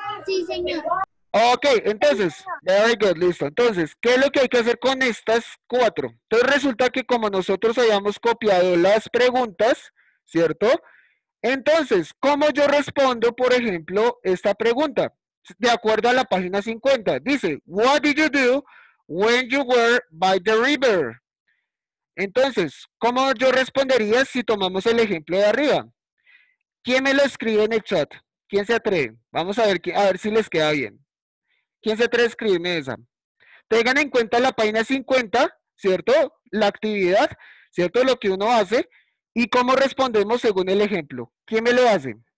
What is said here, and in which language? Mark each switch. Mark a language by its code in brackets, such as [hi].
[es] Sí, señor. [en] Ok, entonces, very good, listo. [es] Entonces, ¿qué es lo que hay que hacer con estas cuatro? Entonces resulta que como nosotros habíamos copiado las preguntas, ¿cierto? Entonces, ¿cómo yo respondo, por ejemplo, esta pregunta? De acuerdo a la página 50, dice, [en] what did you do when you were by the river? [es] Entonces, ¿cómo yo respondería si tomamos el ejemplo de arriba? ¿Quién me lo escribe en el chat? ¿Quién se atreve? Vamos a ver si les queda bien. ¿Quién se atreve a escribirme esa? Tengan en cuenta la página 50, ¿cierto? La actividad, ¿cierto? Lo que uno hace. ¿Y cómo respondemos según el ejemplo? ¿Quién me lo hace?